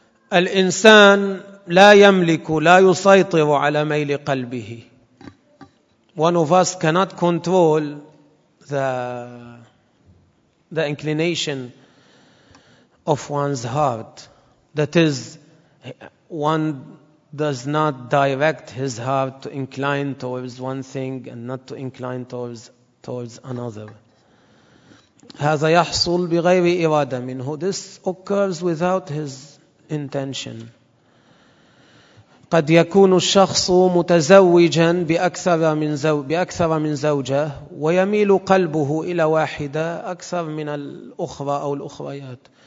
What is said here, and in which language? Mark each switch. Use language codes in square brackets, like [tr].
[ar] الإنسان لا يملك لا يسيطر على ميل قلبه. [en] One of us cannot control the inclination of one's heart. That is, one does not direct his heart to incline towards one thing and not to incline towards another. [ar] هذا يحصل بغير إرادة منه. [en] This occurs without his intention. [ar] قد يكون الشخص متزوجا بأكثر من زوجة ويميل قلبه إلى واحدة أكثر من الأخرى أو الأخريات.